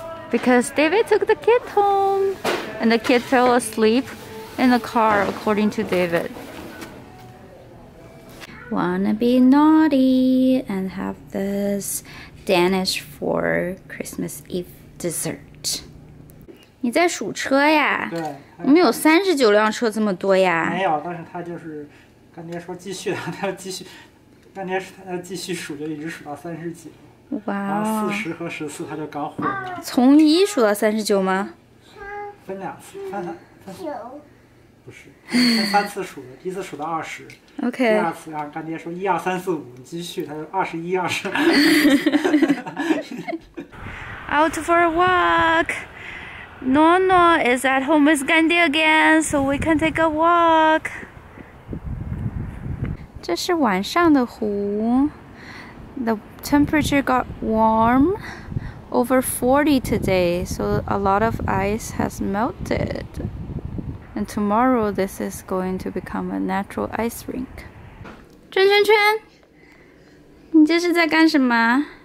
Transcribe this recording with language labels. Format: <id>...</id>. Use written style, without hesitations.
<en>Because David took the kid home and the kid fell asleep in the car according to David. wanna be naughty and have this Danish for Christmas Eve dessert.</en> <zh>你在数车呀？对，我们有39辆车这么多呀。没有，但是他就是干爹说继续的，他要继续，干爹说他要继续数，就一直数到三十几。哇， 40和14他就刚火了。从一数到39吗？分两次，分九。不是，先三次数的，第一次数到20 ，OK，第二次让干爹说一二三四五，继续，他说21、22。</zh> <en>Out for a walk. Nono is at home with 干爹 again, so we can take a walk.</en> <zh>这是晚上的湖。</zh> <en>The temperature got warm, over 40 today, so a lot of ice has melted. And tomorrow, this is going to become a natural ice rink.</en> <zh>圈圈圈，你这是在干什么？</zh>